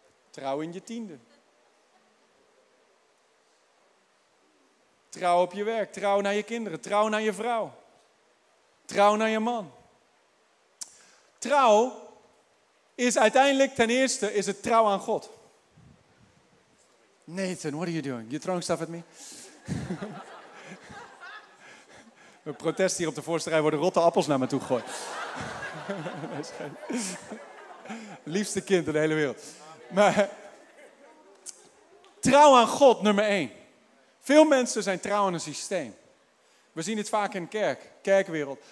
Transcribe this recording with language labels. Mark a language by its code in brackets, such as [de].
[nl] Trouw in je tiende. Trouw op je werk. Trouw naar je kinderen. Trouw naar je vrouw. Trouw naar je man. Trouw is uiteindelijk, ten eerste, is het trouw aan God. [en] Nathan, what are you doing? You throwing stuff at me? [nl] We protesten hier op de voorste rij, worden rotte appels naar me toe gegooid. Liefste kind in de hele wereld. Maar trouw aan God, nummer 1. Veel mensen zijn trouw aan een systeem. We zien dit vaak in kerk, kerkwereld.